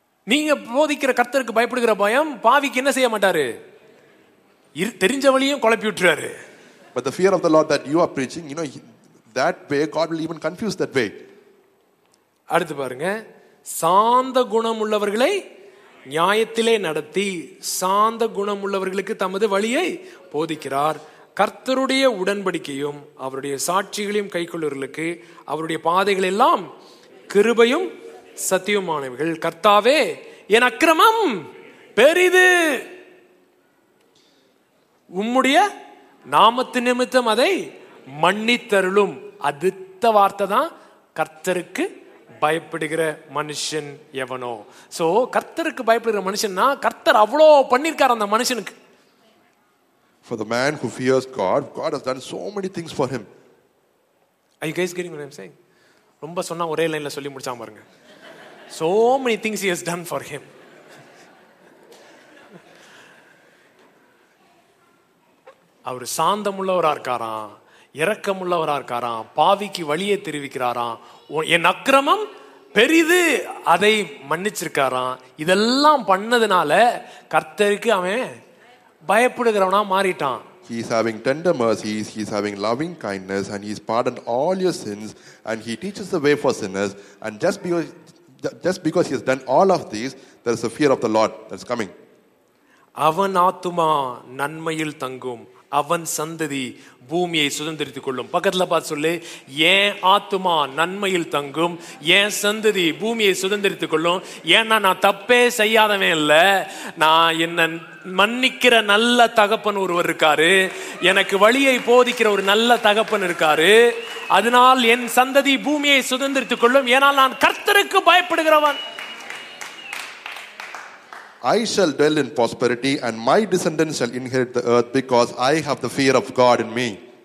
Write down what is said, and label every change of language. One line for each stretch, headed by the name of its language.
Tamil: நீங்க போதிக்கிற கர்த்தருக்கு பயப்படுகிற பயம் பாவிக்கு என்ன செய்ய மாட்டாரு, தெரிஞ்ச வழியும் குழப்பி விட்டுறாரு.
English: But the fear of the Lord that you are preaching, you know, that way God will even confuse that way.
Tamil: அடுத்து பாருங்க, சாந்த குணம் உள்ளவர்களை நியாயத்திலே நடத்தி சாந்த குணம் உள்ளவர்களுக்கு தமது வழியை போதிக்கிறார். கர்த்தருடைய உடன்படிக்கையும் அவருடைய சாட்சிகளையும் கை கொள்ளுவர்களுக்கு அவருடைய பாதைகள் எல்லாம் கிருபையும் சத்தியமானவர்கள். கர்த்தாவே, என் அக்கிரமம் பெரிது, உம்முடைய நாமத்து நிமித்தம் அதை மன்னித்தருளும். அடுத்த வார்த்தை தான், கர்த்தருக்கு பயப்படுகிற மனுஷன் எவனோ. சோ கர்த்தருக்கு பயப்படுகிற மனுஷன்னா கர்த்தர் அவ்வளோ பண்ணிருக்கார் அந்த மனுஷனுக்கு.
English: For the man who fears God, God has done so many things for him. Are you guys getting what I'm saying?
Tamil: ரொம்ப சொன்னா ஒரே லைன்ல சொல்லி முடிச்சாம பாருங்க.
English: So many things he has done for him.
Tamil: அவர் சாந்தம் உள்ளவரா இருக்காராம், இரக்கம் உள்ளவரா இருக்காராம், பாவிக்கு வழியை தெரிவிக்கிறாராம், என் அக்கிரமம் பெரிது அதை மன்னிச்சிருக்காராம். இதெல்லாம் பண்ணதுனால கர்த்தருக்கு அவன் பயப்படுகிறவனா மாறிட்டான்.
English: He is having tender mercies, he is having loving kindness, and he has pardoned all your sins, and he teaches the way for sinners, and just because he has done all of these, there is a fear of the Lord that's coming.
Tamil: அவன் ஆத்துமா நன்மையில் தங்கும், அவன் சந்ததி பூமியை சுதந்திரித்துக் கொள்ளும். பக்கத்துல பார்த்து சொல்லு, என் ஆத்துமா நன்மையில் தங்கும், என் சந்ததி பூமியை சுதந்திரித்துக் கொள்ளும். ஏன்னா நான் தப்பே செய்யாதவன் இல்ல, நான் என்ன மன்னிக்கிற நல்ல தகப்பன் ஒருவர் இருக்காரு, எனக்கு வழியை போதிக்கிற ஒரு நல்ல தகப்பன் இருக்காரு, அதனால் என் சந்ததி பூமியை சுதந்திரித்துக் கொள்ளும், ஏன்னா நான் கர்த்தருக்கு பயப்படுகிறவன்.
English: I shall dwell in prosperity and my descendants shall inherit the earth because I have the fear of God in me.